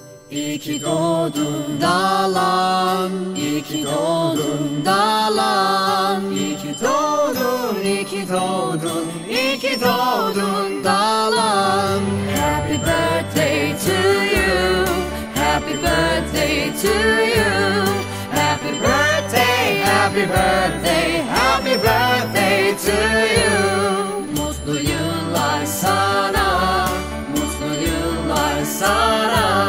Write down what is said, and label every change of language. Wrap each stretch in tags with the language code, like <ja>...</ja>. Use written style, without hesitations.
<tr>İyi ki doğdun dağlan, iyi ki doğdun dağlan, iyi ki doğdun, iyi ki doğdun, iyi ki doğdun dağlan.</tr> <en>Happy birthday to you, happy birthday to you, happy birthday, happy birthday, happy birthday to you.</en> <tr>Mutlu yıllar sana, mutlu yıllar sana.</tr>